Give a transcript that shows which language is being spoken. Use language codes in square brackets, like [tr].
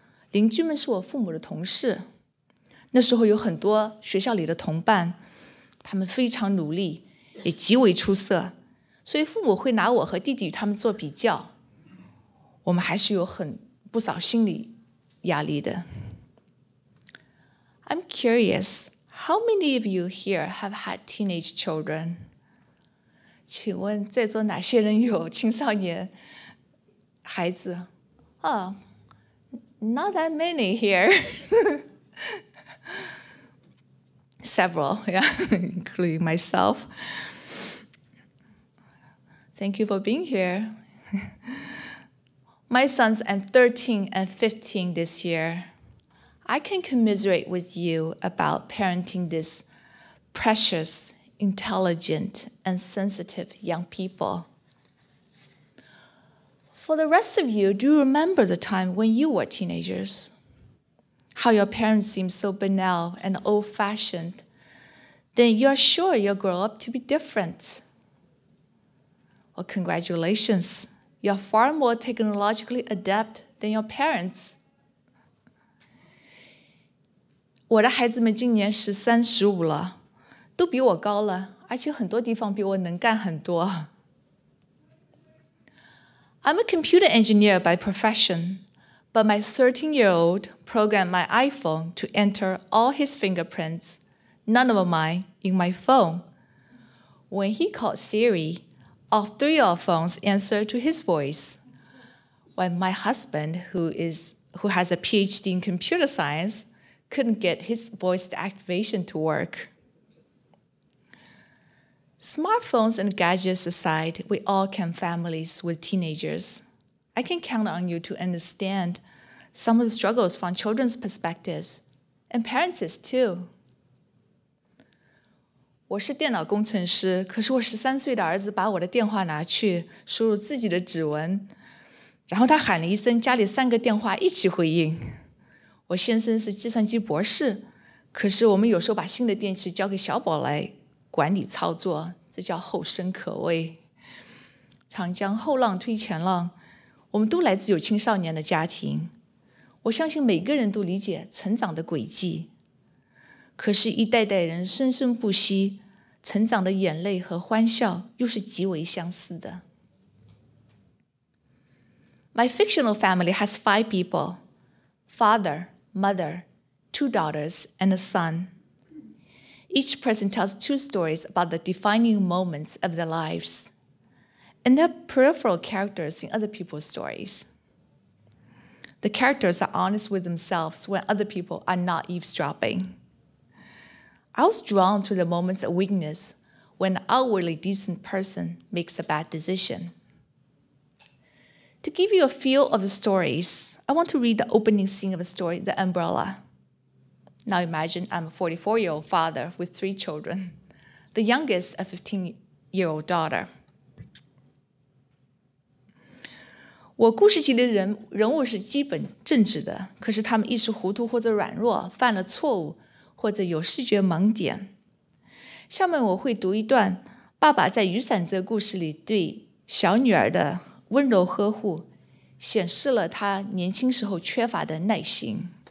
[zh] 邻居们是我父母的同事，那时候有很多学校里的同伴，他们非常努力，也极为出色，所以父母会拿我和弟弟他们做比较，我们还是有很不少心理压力的。 [en] I'm curious, how many of you here have had teenage children? [zh] 请问在座哪些人有青少年孩子？ [en] Oh, not that many here. Several, yeah, including myself. Thank you for being here. My sons are 13 and 15 this year. I can commiserate with you about parenting this precious, intelligent, and sensitive young people. For the rest of you, do you remember the time when you were teenagers? How your parents seemed so banal and old-fashioned? Then you're sure you'll grow up to be different. Well, congratulations. You're far more technologically adept than your parents. [zh] 我的孩子们今年十三十五了，都比我高了，而且很多地方比我能干很多。 [en] I'm a computer engineer by profession, but my 13-year-old programmed my iPhone to enter all his fingerprints, none of mine, in my phone. When he called Siri, all three of our phones answered to his voice. When my husband, who has a PhD in computer science, couldn't get his voice activation to work. Smartphones and gadgets aside, we all come families with teenagers. I can count on you to understand some of the struggles from children's perspectives, and parents' too. [zh] 我是电脑工程师，可是我十三岁的儿子把我的电话拿去输入自己的指纹，然后他喊了一声，家里三个电话一起回应。我先生是计算机博士，可是我们有时候把新的电器交给小宝来管理操作，这叫后生可畏。长江后浪推前浪，我们都来自有青少年的家庭，我相信每个人都理解成长的轨迹，可是一代代人生生不息，成长的眼泪和欢笑又是极为相似的。 [en] My fictional family has five people, father, mother, two daughters, and a son. Each person tells two stories about the defining moments of their lives, and they're peripheral characters in other people's stories. The characters are honest with themselves when other people are not eavesdropping. I was drawn to the moments of weakness when an outwardly decent person makes a bad decision. To give you a feel of the stories, I want to read the opening scene of a story, The Umbrella. Now imagine I'm a 44-year-old father with three children, the youngest a 15-year-old daughter. [zh] 我故事集的人物是基本正直的，可是他们一时糊涂或者软弱，犯了错误。或者有视觉盲点。下面我会读一段爸爸在雨伞这个故事里对小女儿的温柔呵护，显示了他年轻时候缺乏的耐心。